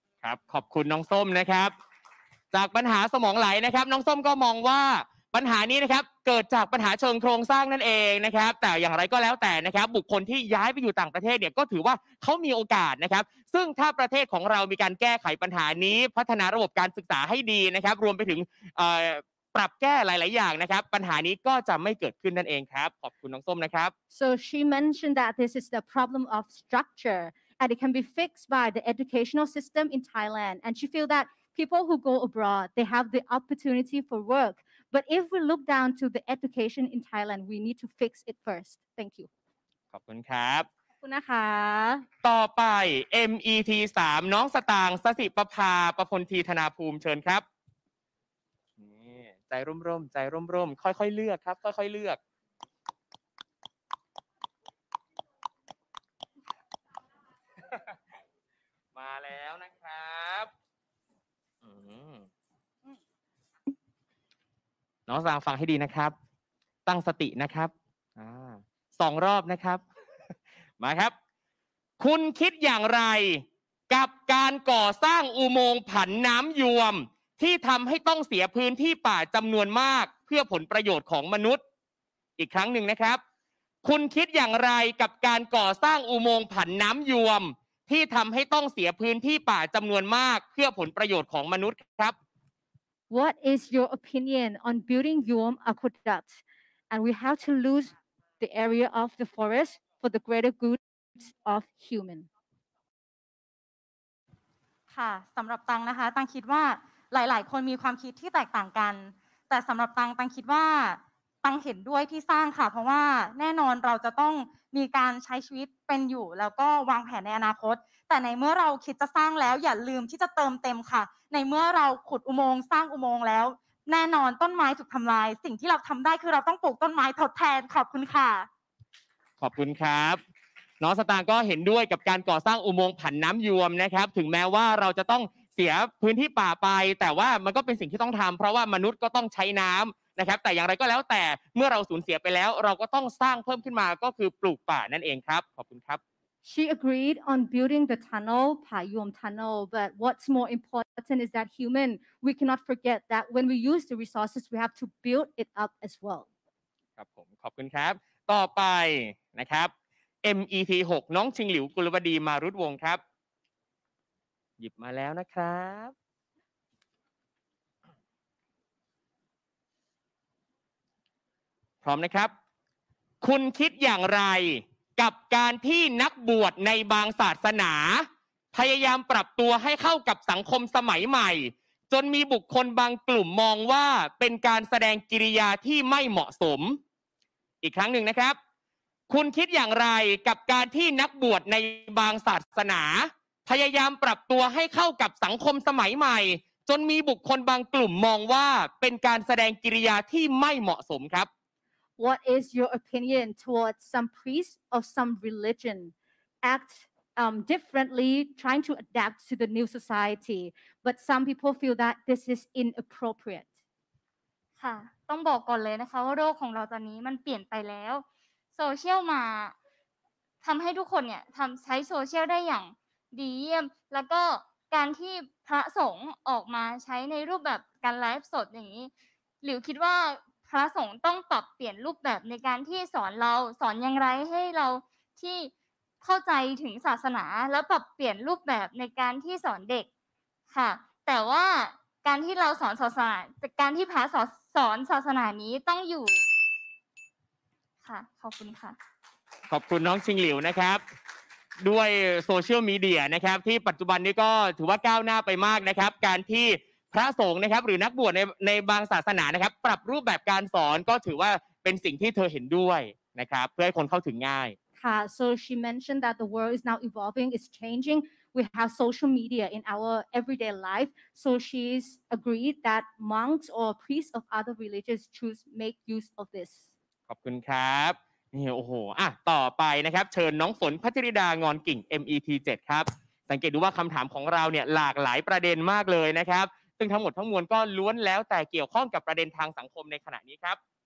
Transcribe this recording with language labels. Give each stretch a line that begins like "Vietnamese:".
Thai: ครับขอบคุณน้องส้มนะครับจากปัญหาสมองไหลนะครับน้องส้มก็มองว่าปัญหานี้นะครับเกิดจากปัญหาเชิงโครงสร้างนั่นเองนะครับแต่อย่างไรก็แล้วแต่นะครับบุคคลที่ย้ายไปอยู่ต่างประเทศเนี่ยก็ถือว่าเขามีโอกาสนะครับซึ่งถ้าประเทศของเรามีการแก้ไขปัญหานี้พัฒนาระบบการศึกษาให้ดีนะครับรวมไปถึงปรับแก้หลายๆอย่างนะครับปัญหานี้ก็จะไม่เกิดขึ้นนั่นเองครับขอบคุณน้องส้มนะครับ
English: So she mentioned that this is the problem of structure and it can be fixed by the educational system in Thailand. And she feel that people who go abroad, they have the opportunity for work. But if we look down to the education in Thailand, we need to fix it first. Thank you.
Thai: ขอบคุณครับ ขอบคุณนะคะ ต่อไป MET 3น้องสตางค์สิประภาประพลทีธนาภูมิเชิญครับนี่ใจร่มร่มใจร่มๆค่อยๆเลือกครับค่อยๆเลือกมาแล้วนะครับ น้องสตางค์ฟังให้ดีนะครับตั้งสตินะครับสองรอบนะครับมาครับคุณคิดอย่างไรกับการก่อสร้างอุโมงค์ผันน้ำยวมที่ทำให้ต้องเสียพื้นที่ป่าจำนวนมากเพื่อผลประโยชน์ของมนุษย์อีกครั้งหนึ่งนะครับคุณคิดอย่างไรกับการก่อสร้างอุโมงค์ผันน้ำยวมที่ทำให้ต้องเสียพื้นที่ป่าจำนวนมากเพื่อผลประโยชน์ของมนุษย์ครับ
English: What is your opinion on building Yuam Aqueduct and we have to lose the area of the forest for the greater good of human
Thai: ค่ะสำหรับตังนะคะตังคิดว่าหลายๆคนมีความคิดที่แตกต่างกันแต่สำหรับตังคิดว่าตังเห็นด้วยที่สร้างค่ะเพราะว่าแน่นอนเราจะต้องมีการใช้ชีวิตเป็นอยู่แล้วก็วางแผนในอนาคตแต่ในเมื่อเราคิดจะสร้างแล้วอย่าลืมที่จะเติมเต็มค่ะในเมื่อเราขุดอุโมงค์สร้างอุโมงค์แล้วแน่นอนต้นไม้ถูกทำลายสิ่งที่เราทำได้คือเราต้องปลูกต้นไม้ทดแทนขอบคุณค่ะ ขอบคุณครับน้องสตางค์ก็เห็นด้วยกับการก่อสร้างอุโมงค์ผันน้ำยวมนะครับถึงแม้ว่าเราจะต้องเสียพื้นที่ป่าไปแต่ว่ามันก็เป็นสิ่งที่ต้องทำเพราะว่ามนุษย์ก็ต้องใช้น้ำนะครับแต่อย่างไรก็แล้วแต่เมื่อเราสูญเสียไปแล้วเราก็ต้องสร้างเพิ่มขึ้นมาก็คือปลูกป่านั่นเองครับขอบคุณครับ
English: She agreed on building the tunnel, Payuam Tunnel, but what's more important is that human, we cannot forget that when we use the resources, we have to build it up as well.
Thai: ครับผมขอบคุณครับต่อไปนะครับ MET 6น้องชิงหลิวกุลวดีมารุดวงครับหยิบมาแล้วนะครับ พร้อมนะครับคุณคิดอย่างไรกับการที่นักบวชในบางศาสนาพยายามปรับตัวให้เข้ากับสังคมสมัยใหม่จนมีบุคคลบางกลุ่มมองว่าเป็นการแสดงกิริยาที่ไม่เหมาะสม อีกครั้งหนึ่งนะครับคุณคิดอย่างไรกับการที่นักบวชในบางศาสนาพยายามปรับตัวให้เข้ากับสังคมสมัยใหม่จนมีบุคคลบางกลุ่มมองว่าเป็นการแสดงกิริยาที่ไม่เหมาะสมครับ
English: What is your opinion towards some priests of some religion act differently, trying to adapt to the new society? But some people feel that this is inappropriate.
Thai: ค่ะต้องบอกก่อนเลยนะคะว่าโลกของเราตอนนี้มันเปลี่ยนไปแล้วโซเชียลมาทำให้ทุกคนเนี่ยทำใช้โซเชียลได้อย่างดีเยี่ยมแล้วก็การที่พระสงฆ์ออกมาใช้ในรูปแบบการไลฟ์สดอย่างนี้หรือคิดว่าพระสงฆ์ต้องปรับเปลี่ยนรูปแบบในการที่สอนเราสอนอย่างไรให้เราที่ เข้าใจถึงศาสนาแล้วปรับเปลี่ยนรูปแบบในการที่สอนเด็กค่ะแต่ว่าการที่เราสอนศาสนาการที่พระสอนศาสนานี้ต้องอยู่ค่ะขอบคุณค่ะ ขอบคุณน้องชิงหลิวนะครับด้วยโซเชียลมีเดียนะครับที่ปัจจุบันนี้ก็ถือว่าก้าวหน้าไปมากนะครับการที่พระสงฆ์นะครับหรือนักบวชในบางศาสนานะครับปรับรูปแบบการสอนก็ถือว่าเป็นสิ่งที่เธอเห็นด้วยนะครับเพื่อให้คนเข้าถึงง่าย ค่ะ
English: so she mentioned that the world is now evolving is changing we have social media in our everyday life so she's agreed that monks or priests of other religions should make use of this
Thai: ขอบคุณครับนี่โอ้โหอ่ะต่อไปนะครับเชิญน้องฝนพัชริดางอนกิ่ง MET 7ครับสังเกตดูว่าคำถามของเราเนี่ยหลากหลายประเด็นมากเลยนะครับซึ่งทั้งหมดทั้งมวลก็ล้วนแล้วแต่เกี่ยวข้องกับประเด็นทางสังคมในขณะนี้ครับ